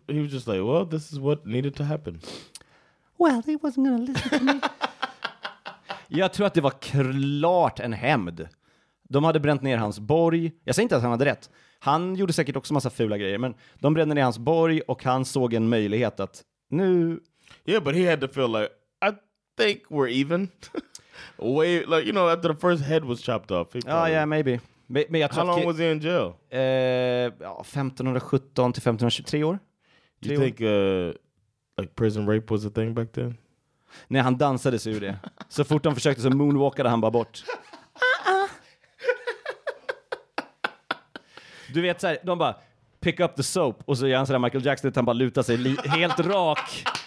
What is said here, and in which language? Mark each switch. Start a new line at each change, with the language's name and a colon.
English: He was just like, well, this is what needed to happen. Well, he wasn't going to listen to me.
Swedish: Jag tror att det var klart en hämnd. De hade bränt ner hans borg. Jag säger inte att han hade rätt. Han gjorde säkert också massa fula grejer, men de brände ner hans borg och han såg en möjlighet att nu...
English: Yeah, but he had to feel like, I think we're even. Way, like, you know, after the first head was chopped off. Oh, yeah, maybe.
Swedish: Men jag tror
English: How long was he in jail?
Swedish: 1517 till 1523 år. You Tre think, år.
English: Like, prison rape was a thing back then?
Swedish: Nej, han dansade sig ur det. Så fort de försökte så moonwalkade han bara bort. Du vet så här, de bara
English: pick up the soap.
Swedish: Och så gör han så där Michael Jackson, att han bara lutar sig helt rak.